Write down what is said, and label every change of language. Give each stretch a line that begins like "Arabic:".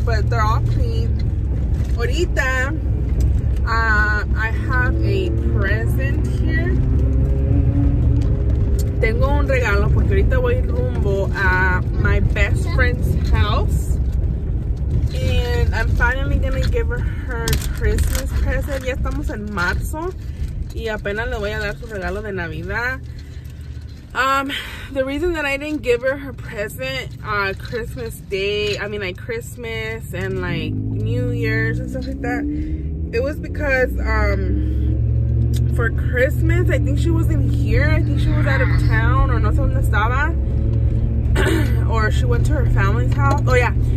English: But they're all clean. Ahorita, I have a present here.
Spanish: Tengo un regalo porque ahorita voy rumbo a
English: my best friend's house. And I'm finally gonna give her Christmas present.
Spanish: Ya estamos en marzo y apenas le voy a dar su regalo de Navidad.
English: The reason that I didn't give her present on Christmas Day, Christmas and like New Year's and stuff like that, it was because for Christmas, I think she wasn't here. I think she was out of town or
Spanish: no sé dónde estaba.
English: Or she went to her family's house. Oh, yeah.